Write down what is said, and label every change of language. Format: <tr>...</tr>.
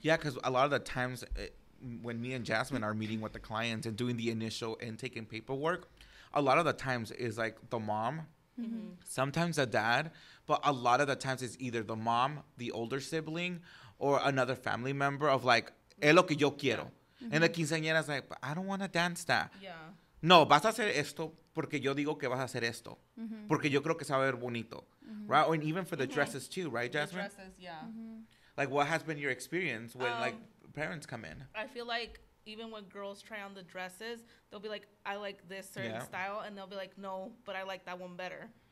<en>Yeah, because a lot of the times when me and Jasmine are meeting with the clients and doing the initial intake and paperwork, a lot of the times is like the mom, sometimes the dad, but a lot of the times it's either the mom, the older sibling, or another family member of like,</en> <es>es lo que yo quiero.</es> <en>And the quinceañera is like, but I don't want to dance that. Yeah.</en> <es>No, vas a hacer esto porque yo digo que vas a hacer esto. Porque yo creo que se va a ver bonito.</es> <en>Right? Or even for the dresses too, right, Jasmine? The dresses, yeah. Like, what has been your experience when like parents come in? I feel like even when girls try on the dresses, they'll be like, I like this certain style. And they'll be like, no, but I like that one better.</en>